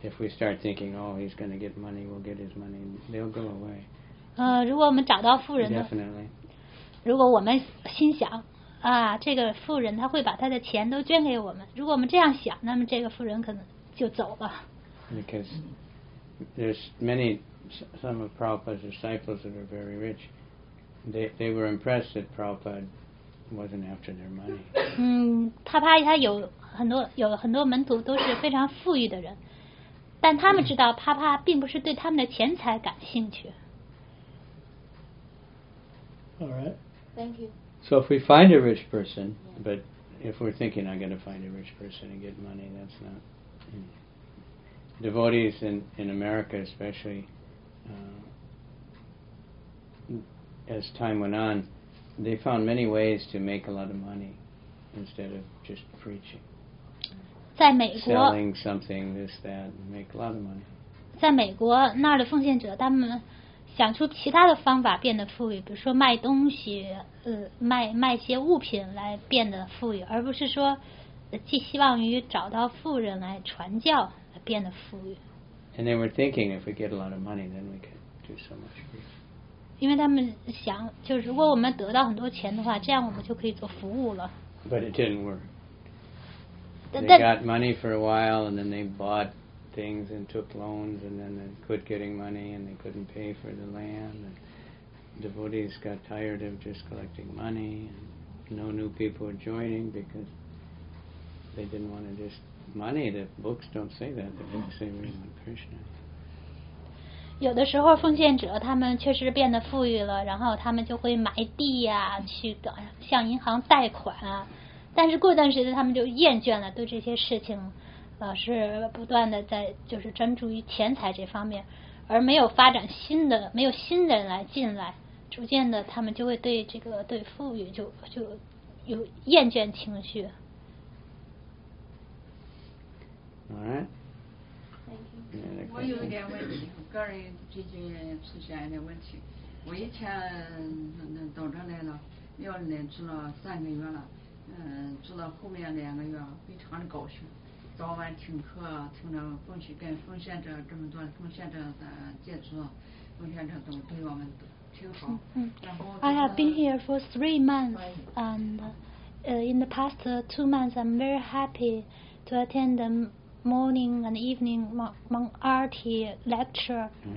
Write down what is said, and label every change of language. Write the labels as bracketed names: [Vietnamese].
[English] if we start thinking, oh, he's going to get money, we'll get his money, they'll go away. [Chinese] 如果我们找到富人呢 [English] Definitely. [Chinese] 如果我们心想啊，这个富人他会把他的钱都捐给我们，如果我们这样想，那么这个富人可能就走了。 [English] Because there's many, some of Prabhupada's disciples that are very rich. They were impressed that Prabhupada wasn't after their money. [Chinese] 他怕他有很多有很多门徒都是非常富裕的人，但他们知道帕帕并不是对他们的钱财感兴趣。 [English] All right. Thank you. So if we find a rich person, but if we're thinking I'm going to find a rich person and get money, that's not. Devotees in America, especially, as time went on, they found many ways to make a lot of money instead of just preaching. [Chinese] 在美国 [English] selling something, this, that, make a lot of money. [Chinese] 在美国那儿的奉献者他们想出其他的方法变得富裕，比如说卖东西，卖些物品来变得富裕，而不是说寄希望于找到富人来传教来变得富裕。 [English] And they were thinking if we get a lot of money then we could do so much good. [Chinese] 因为他们想就是如果我们得到很多钱的话，这样我们就可以做服务了。 [English] But it didn't workThey got money for a while, and then they bought things and took loans, and then they quit getting money, and they couldn't pay for the land. And devotees got tired of just collecting money, and no new people were joining because they didn't want to just money. The books don't say that. The books say we want Krishna. [Chinese] 有的时候奉献者他们确实变得富裕了，然后他们就会买地呀，去向银行贷款啊。但是过一段时间他们就厌倦了对这些事情老是不断的在就是专注于钱财这方面而没有发展新的没有新人来进来逐渐的他们就会对这个对富裕就有厌倦情绪 [English] All right. Thank you. [Chinese] 我有一点问题个人最近出现一点问题我以前到这来了庙里面住了三个月了住到后面两个月非常的高兴早晚听课听着奉献跟奉献者这么多奉献者的介绍奉献者都对我们都挺好然后 [English] I have been here for 3 months and in the past 2 months I'm very happy to attend the morning and evening RT lecture